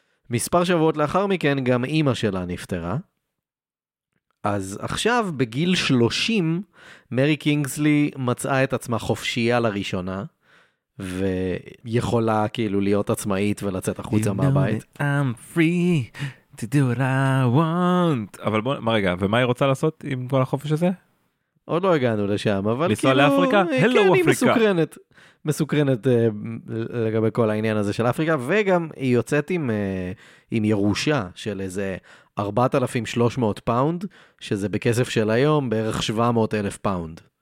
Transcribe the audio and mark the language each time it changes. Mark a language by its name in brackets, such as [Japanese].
[Hebrew] מספר שבועות לאחר מכן גם אמא שלה נפטרה. אז עכשיו, בגיל 30, מרי קינגסלי מצאה את עצמה חופשייה לראשונה, ויכולה כאילו להיות עצמאית ולצאת החוצה מהבית. [English] You know that I'm free to do what I want. [Hebrew] אבל בוא, מה רגע, ומה היא רוצה לעשות עם כל החופש הזה? עוד לא הגענו לשם, אבל לנסוע לאפריקה? Hello, כן, אפריקה. היא מסוקרנת. מסוקרנת לגבי כל העניין הזה של אפריקה, וגם היא יוצאת עם ירושה של איזה 4,300 פאונד, שזה בכסף של היום בערך 700 אלף פאונד.